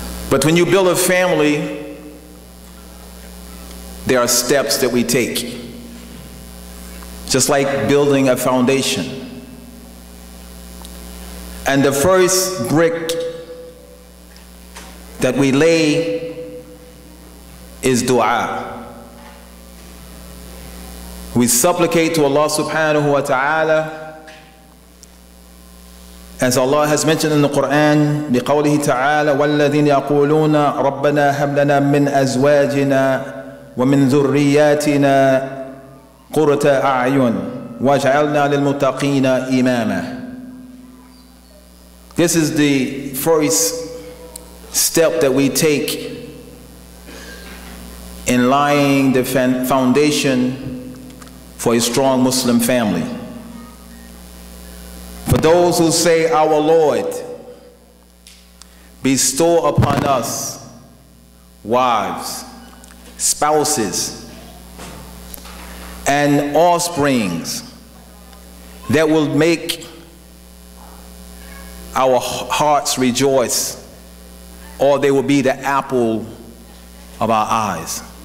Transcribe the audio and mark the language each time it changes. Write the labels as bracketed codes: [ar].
[en] But when you build a family, there are steps that we take. Just like building a foundation. And the first brick that we lay is dua. We supplicate to Allah subhanahu wa ta'ala, as Allah has mentioned in the Quran, [ar] بقوله تعالى والذين يقولون ربنا هب لنا من أزواجنا ومن ذرياتنا قرة أعين واجعلنا للمتقين إماما. [en] This is the first step that we take in laying the foundation for a strong Muslim family. For those who say, our Lord, bestow upon us wives, spouses, and offsprings that will make our hearts rejoice, or they will be the apple of our eyes.